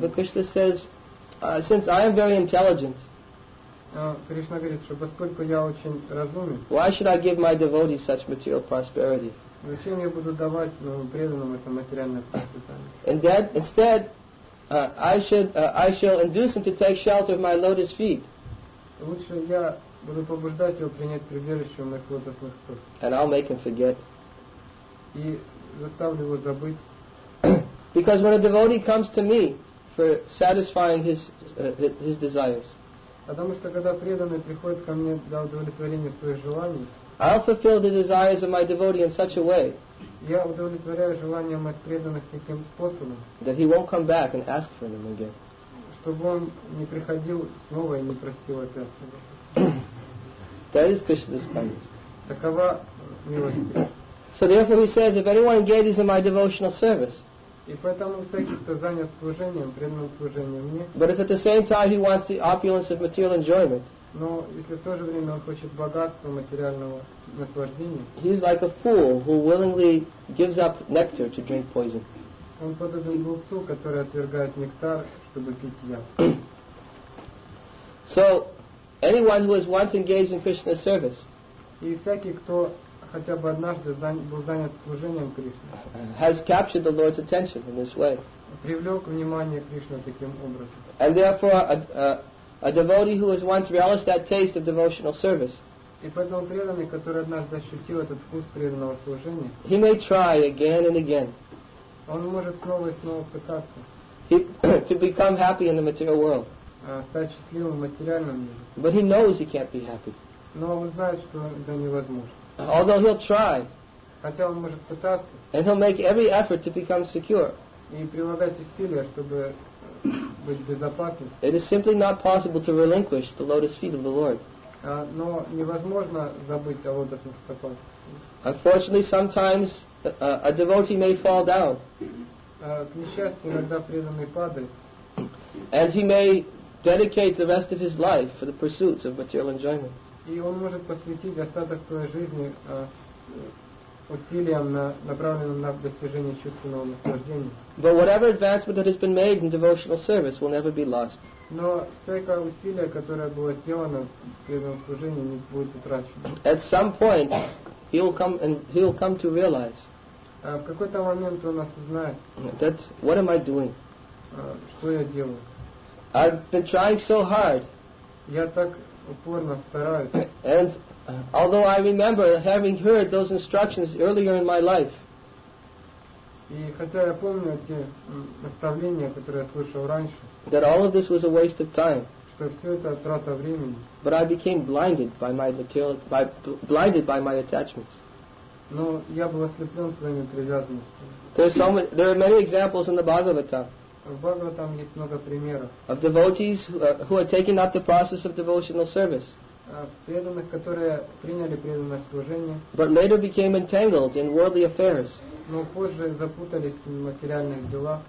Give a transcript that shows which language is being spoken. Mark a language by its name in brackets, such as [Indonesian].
[English] But Krishna says, since I am very intelligent, [Russian] Кришна говорит, что поскольку я очень разумен, [English] why should I give my devotee such material prosperity? [Russian] Зачем я буду давать преданному это материальное процветание? [English] Instead, I shall induce him to take shelter of my lotus feet. [Russian] Лучше я буду побуждать его принять прибежище у моих лотосных стоп. [English] And I'll make him forget. [Russian] И заставлю его забыть. [English] Because when a devotee comes to me for satisfying his desires, [Russian] потому что когда преданный приходит ко мне для удовлетворения своих желаний, [English] I'll fulfill the desires of my devotee in such a way. [Russian] Я удовлетворяю желания моих преданных таким способом, [English] that he won't come back and ask for them again. [Russian] Чтобы он не приходил снова и не просил опять. [English] That is Krishna's kindness. [Russian] Такова милость. [English] So therefore he says, if anyone engages in my devotional service, [Russian] и поэтому всякий, кто занят служением, преданным служением мне, [English] but if at the same time he wants the opulence of material enjoyment, [Russian] но если в то же время он хочет богатства материального наслаждения, [English] he is like a fool who willingly gives up nectar to drink poison. [Russian] Он подобен глупцу, который отвергает нектар, чтобы пить яд. [English] So anyone who has once engaged in Krishna's service, [Russian] и всякий, кто хотя бы однажды был занят служением Кришне, [English] has captured the Lord's attention in this way, [Russian] привлек внимание Кришны таким образом, [English] and therefore a devotee who has once realized that taste of devotional service, [Russian] и поэтому преданный, который однажды ощутил этот вкус преданного служения, [English] he may try again and again, [Russian] он может снова и снова пытаться, [English] to become happy in the material world, [Russian] стать счастливым в материальном мире, [English] but he knows he can't be happy, [Russian] но он знает, что это невозможно. [English] Although he'll try, [Russian] хотя он может пытаться, [English] and he'll make every effort to become secure, [Russian] и прилагать усилия, чтобы быть безопасным, [English] it is simply not possible to relinquish the lotus feet of the Lord. [Russian] Но невозможно забыть о лотосных стопах. [English] Unfortunately, sometimes a devotee may fall down. [Russian] К несчастью, иногда преданный падает. [English] And he may dedicate the rest of his life for the pursuits of material enjoyment. [Russian] И он может посвятить остаток своей жизни усилиям, направленным на достижение чувственного наслаждения. [English] But whatever advancement that has been made in devotional service will never be lost. [Russian] Но всякое усилие, которое было сделано в преданном служении, не будет утрачено. [English] At some point, he'll come to realize. [Russian] В какой-то момент он осознает. [English] That what am I doing? [Russian] Что я делаю? [English] I've been trying so hard. [Russian] Я так упорно стараюсь. [English] And although I remember having heard those instructions earlier in my life, [Russian] и хотя я помню те наставления, которые я слышал раньше, [English] that all of this was a waste of time, [Russian] что все это трата времени, [English] but I became blinded by my material, blinded by my attachments. [Russian] Но я был ослеплен своими привязанностями. [English] There are many examples in the Bhagavatam. [Russian] В Бхагаватам есть много примеров. [English] Of devotees who are taking up the process of devotional service. [Russian] Преданных, которые приняли преданное служение. [English] But later became entangled in worldly affairs. [Russian] Но позже запутались в материальных делах.